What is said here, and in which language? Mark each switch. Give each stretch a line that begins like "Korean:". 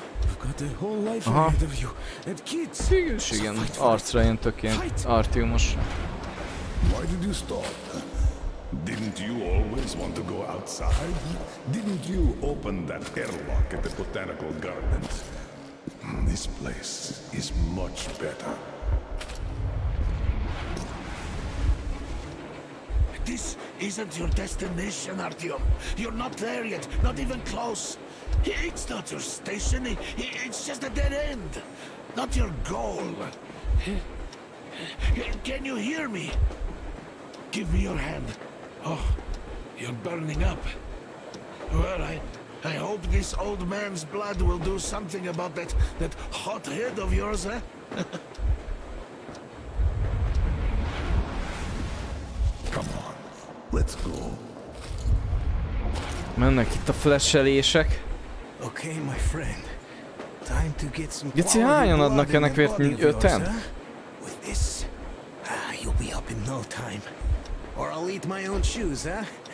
English: We've got a whole life ahead of you. And kids!
Hungarian: És igen, arcra jön tök ilyen Artyomos.
English: Why did you stop? Didn't you always want to go outside? Didn't you open that airlock at the botanical gardens? This place is much better. This isn't your destination, Artyom. You're not there yet, not even close. It's not your station, it's just a dead end. Not your goal. Can you hear me? Give me your hand. Oh, you're burning up. Well, I hope this old man's blood will do something about that hot head of yours, eh? Come on, let's go.
Hungarian: Mennek itt a flash-elések.
English: Okay, my friend. Time to get some quality blood in the body of yours, huh? With this, you'll be up in no time. Or I'll eat my own shoes, huh?